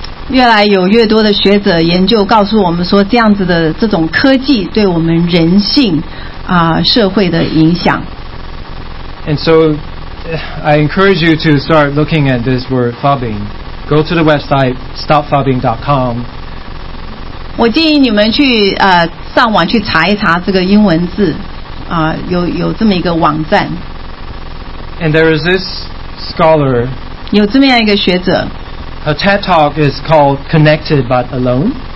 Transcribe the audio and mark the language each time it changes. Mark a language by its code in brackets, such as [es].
[zh] 越来有越多的学者研究告诉我们说，这样子的这种科技对我们人性社会的影响。 [en] And so, I encourage you to start looking at this word fubbing. Go to the website stopfubbing.com. [zh] 我建议你们去上网去查一查这个英文字有这么一个网站。 [en] And there is this scholar. [zh] 有这么样一个学者。 [en] Her TED talk is called "Connected but Alone."